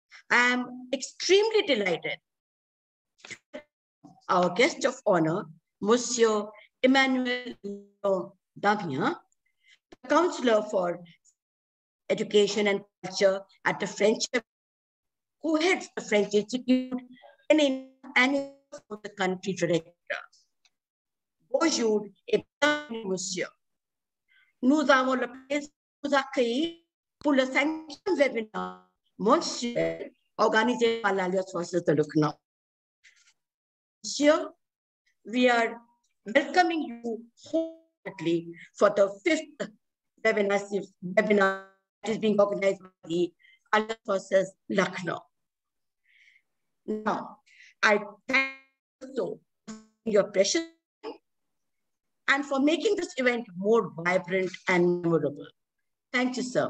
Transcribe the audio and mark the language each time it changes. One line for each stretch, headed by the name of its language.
English: I am extremely delighted to our guest of honor, Monsieur Emmanuel Damien, Counselor for Education and Culture at the French, who heads the French Institute and is the country director.
French: Bonjour et bienvenue, monsieur. Nous avons le plaisir de vous accueillir pour le cinquième webinar monsieur organisé par l'Alliance Forces de Lucknow.
English: Monsieur, we are welcoming you wholeheartedly for the fifth webinar that is being organized by the Alliance Forces Lucknow. Now, I thank you so for your precious time and for making this event more vibrant and memorable. Thank you, sir.